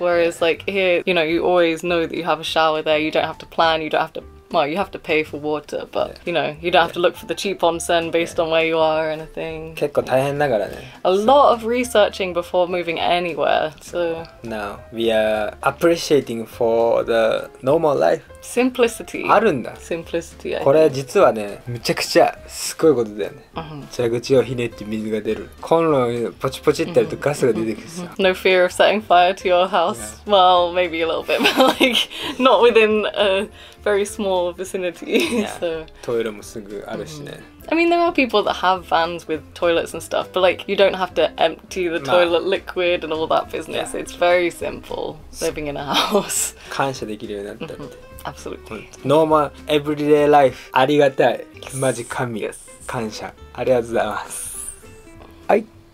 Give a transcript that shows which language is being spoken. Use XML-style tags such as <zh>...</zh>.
<en>Whereas, like, here, you know, you always know that you have a shower there, you don't have to plan, you don't have to, well, you have to pay for water, but、yeah. you know, you don't、yeah. have to look for the cheap onsen based、yeah. on where you are or anything.</en> <ja>結構大変だからね。</ja> <en>A lot of researching before moving anywhere, so. Now, we are appreciating for the normal life. Simplicity.</en> <ja>あるんだ。</ja> <en>Simplicity.</en> <ja>これ実はね、むちゃくちゃすごいことだよね。蛇口をひねって水が出る。コンロをポチポチってやるとガスが出てくるさ。</ja> <en>No fear of setting fire to your house.、Yeah. Well, maybe a little bit, but like not within a very small vicinity.、Yeah. So.</en> <ja>トイレもすぐあるしね。</ja> <en>I mean, there are people that have vans with toilets and stuff, but like, you don't have to empty the toilet liquid and all that business.、Yeah. It's very simple living in a house.</en> <ja>感謝できるようになったって。</ja> <en>Absolutely. Normal everyday life.</en> <ja>ありがたい。マジ神。</ja> <en>Yes.</en> <ja>感謝ありがとうございますはい</ja>